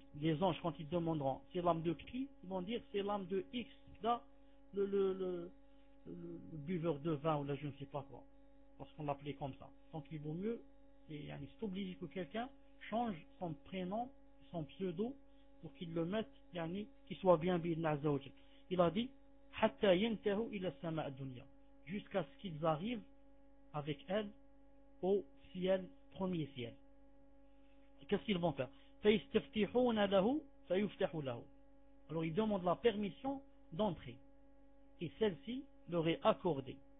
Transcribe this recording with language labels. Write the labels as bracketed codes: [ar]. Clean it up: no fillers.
[fr] Les anges, quand ils demanderont c'est l'âme de qui, ils vont dire c'est l'âme de X, là, le buveur de vin ou là, je ne sais pas quoi. Parce qu'on l'appelait comme ça. Donc, il vaut mieux, c'est obligé que quelqu'un change son prénom, son pseudo, pour qu'il le mette, yani, qu'il soit bien bien azawajal. Il a dit, [ar] حتى ينتهوا إلى السماء الدنيا. [fr] Jusqu'à ce qu'ils arrivent avec elle au ciel, premier ciel. Qu'est-ce qu'ils vont faire? [ar] فَيْسْتَفْتِحُونَ لَهُ فَيُفْتَحُ لَهُ. [fr] Alors, ils demandent la permission d'entrer. Et celle-ci leur est accordée.